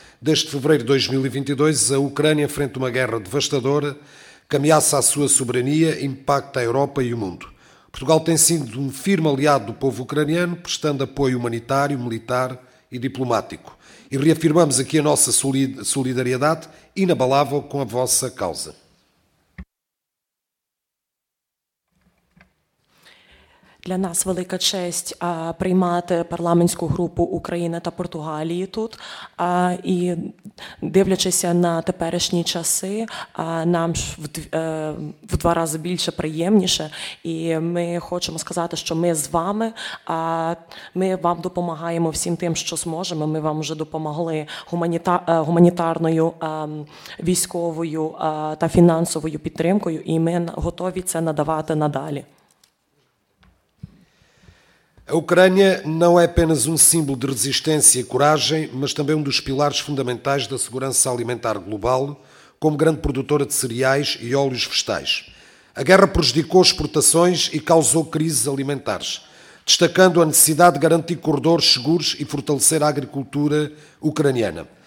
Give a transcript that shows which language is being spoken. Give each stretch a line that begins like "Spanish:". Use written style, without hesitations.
Portuguese: Desde fevereiro de 2022, a Ucrânia enfrenta uma guerra devastadora que ameaça a sua soberania, impacta a Europa e o mundo. Portugal tem sido um firme aliado do povo ucraniano, prestando apoio humanitário, militar e diplomático. E reafirmamos aqui a nossa solidariedade inabalável com a vossa causa.
Ukrainian: Для нас велика честь приймати парламентську групу України та Португалії тут. І дивлячись на теперішні часи, нам ж в два рази більше приємніше. І ми хочемо сказати, що ми з вами, ми вам допомагаємо всім тим, що зможемо. Ми вам вже допомогли гуманітарною, військовою та фінансовою підтримкою, і ми готові це надавати надалі.
Portuguese: A Ucrânia não é apenas um símbolo de resistência e coragem, mas também um dos pilares fundamentais da segurança alimentar global, como grande produtora de cereais e óleos vegetais. A guerra prejudicou exportações e causou crises alimentares, destacando a necessidade de garantir corredores seguros e fortalecer a agricultura ucraniana.